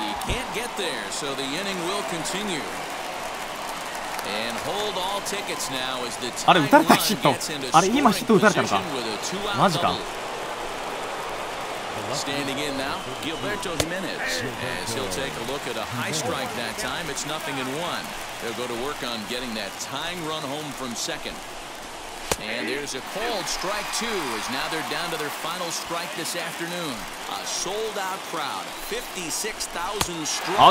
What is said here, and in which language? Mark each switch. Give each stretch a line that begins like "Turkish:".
English: He can't get there, so the inning will continue. And hold all tickets now as the
Japanese: あれ打たれたヒット、あれ今ヒット打たれたのか、マジか。
English: Standing in now, Gilberto Jimenez. As he'll take a look at a high strike that time, it's nothing in one. They'll go to work on getting that tying run home from second. And there's a called strike two as now they're down to their final strike this afternoon. A sold out crowd, 56,000 strong.